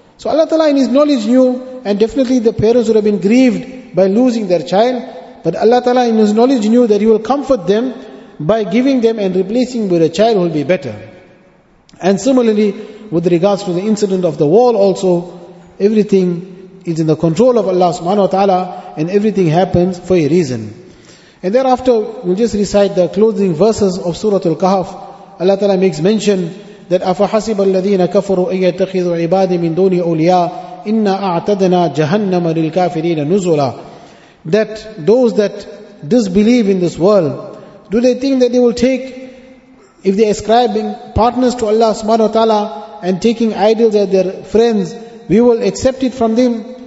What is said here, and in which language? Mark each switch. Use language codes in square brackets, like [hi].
[en] So Allah Ta'ala in his knowledge knew, and definitely the parents would have been grieved by losing their child, but Allah Ta'ala in his knowledge knew that he will comfort them by giving them and replacing with a child who will be better. And similarly, with regards to the incident of the wall also, everything is in the control of Allah subhanahu wa ta'ala, and everything happens for a reason. And thereafter, we'll just recite the closing verses of Surah Al-Kahf. Allah ta'ala makes mention that [ar] أَفَحَسِبَ الَّذِينَ كَفَرُوا أَن يَتَّخِذُوا عِبَادِ مِن دُونِ أَوْلِيَاءَ إِنَّا أَعْتَدْنَا جَهَنَّمَ لِلْكَافِرِينَ نُزُلًا. [en] That those that disbelieve in this world, do they think that they will take, if they are ascribing partners to Allah subhanahu wa ta'ala and taking idols as their friends, we will accept it from them.